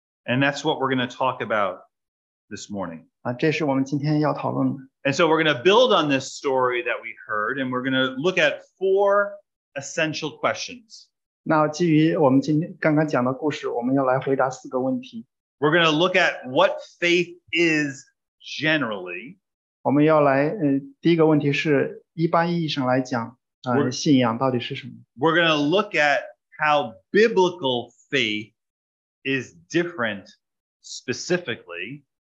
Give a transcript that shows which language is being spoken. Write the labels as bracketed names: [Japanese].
[English] And that's what we're going to talk about this morning. [Chinese] 这是我们今天要讨论的。 [English] And so we're going to build on this story that we heard, and we're going to look at four essential questions. [Chinese] 那基于我们今天刚刚讲的故事，我们要来回答四个问题。 [English] We're going to look at what faith is generally. [Chinese] 我们要来，第一个问题是一般意义上来讲，信仰到底是什么？ [English] We're going to look at how biblical faith is different specifically.